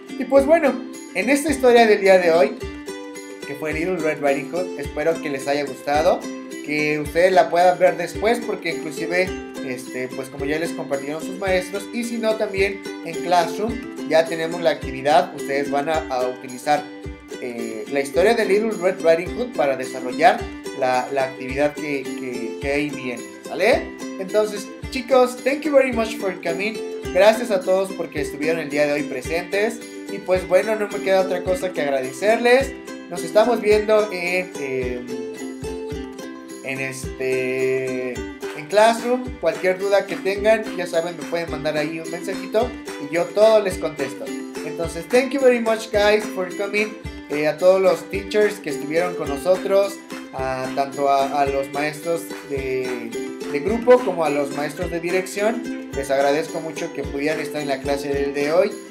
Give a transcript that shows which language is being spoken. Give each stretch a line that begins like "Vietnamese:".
Spanish: Y pues bueno, en esta historia del día de hoy, que fue Little Red Riding Hood, espero que les haya gustado, que ustedes la puedan ver después, porque inclusive, pues como ya les compartieron sus maestros, y si no también en Classroom, ya tenemos la actividad, ustedes van a utilizar la historia de Little Red Riding Hood para desarrollar la actividad que ahí viene, ¿vale? Entonces, chicos,
English: thank you very much for coming.
Spanish: Gracias a todos porque estuvieron el día de hoy presentes. Y pues bueno, no me queda otra cosa que agradecerles. Nos estamos viendo en Classroom. Cualquier duda que tengan, ya saben, me pueden mandar ahí un mensajito y yo todo les contesto. Entonces,
English: thank you very much, guys, for coming.
Spanish: A todos los teachers que estuvieron con nosotros, tanto a los maestros de grupo como a los maestros de dirección, les agradezco mucho que pudieran estar en la clase del de hoy.